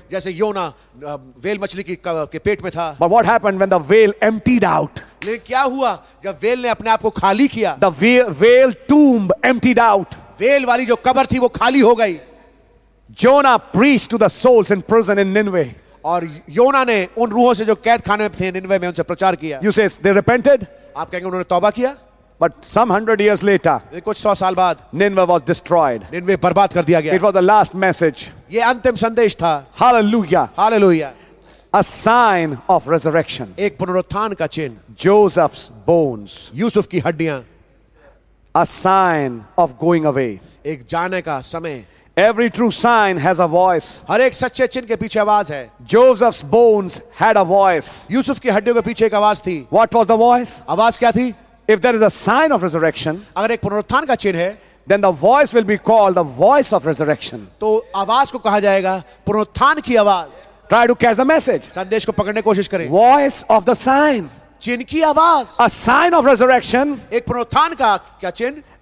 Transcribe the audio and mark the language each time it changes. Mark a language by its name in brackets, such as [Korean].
[Hindi] जैसे योना वेल मछली की के पेट में था. [English] But what happened when the whale emptied out? [Hindi] लेकिन क्या हुआ जब वेल ने अपने आप को खाली किया? [English] The whale tomb emptied out. [Hindi] Well वाली जो कबर थी वो खाली हो गई. [English] Jonah preached to the souls in prison in Nineveh. [Hindi] और योना ने उन रूहों से जो कैद खाने में थे निनवे में उनसे प्रचार किया. [English] You say they repented? [Hindi] आप कहेंगे उन्होंने तौबा किया? [English] But some 100 years later, [Hindi] कुछ सौ साल बाद, [English] Nineveh was destroyed. [Hindi] निनवे बर्बाद कर दिया गया. [English] It was the last message. [Hindi] ये अंतिम संदेश था. [English] Hallelujah. Hallelujah. A sign of resurrection. [Hindi] एक पुनरुत्थान का चिन्ह. [English] Joseph's bones. [Hindi] यूसुफ की हड्डियां. [English] A sign of going away. [Hindi] एक जाने का समय. [English] Every true sign has a voice. [Hindi] हर एक सच्चे चिन्ह के पीछे आवाज है. [English] Joseph's bones had a voice. [Hindi] Yusuf की हड्डियों के पीछे एक आवाज थी. [English] What was the voice? [Hindi] आवाज क्या थी? [English] If there is a sign of resurrection, [Hindi] अगर एक पुनरुत्थान का चिन्ह है, [English] then the voice will be called the voice of resurrection. [Hindi] तो आवाज को कहा जाएगा पुनरुत्थान की आवाज. [English] Try to catch the message. [Hindi] संदेश को पकड़ने की कोशिश करें. [English] Voice of the sign. [Hindi] चिन्ह की आवाज. [English] A sign of resurrection. [Hindi] एक पुनरुत्थान का क्या चिन्ह?